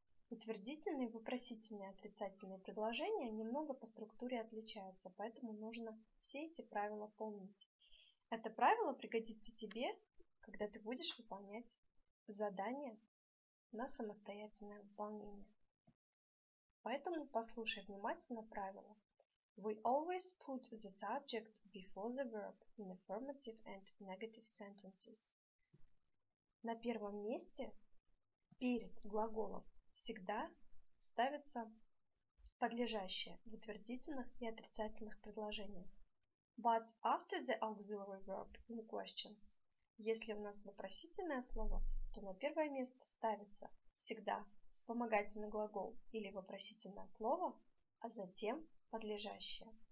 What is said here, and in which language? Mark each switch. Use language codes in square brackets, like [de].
[ru] Утвердительные, вопросительные, отрицательные предложения немного по структуре отличаются, поэтому нужно все эти правила помнить. Это правило пригодится тебе, когда ты будешь выполнять задание на самостоятельное выполнение. Поэтому послушай внимательно правило. [en] We always put the subject before the verb in affirmative and negative sentences. [ru] На первом месте, перед глаголом, всегда ставится подлежащее в утвердительных и отрицательных предложениях. [en] But after the auxiliary verb in questions, [ru] если у нас вопросительное слово, то на первое место ставится всегда вспомогательный глагол или вопросительное слово, а затем подлежащее.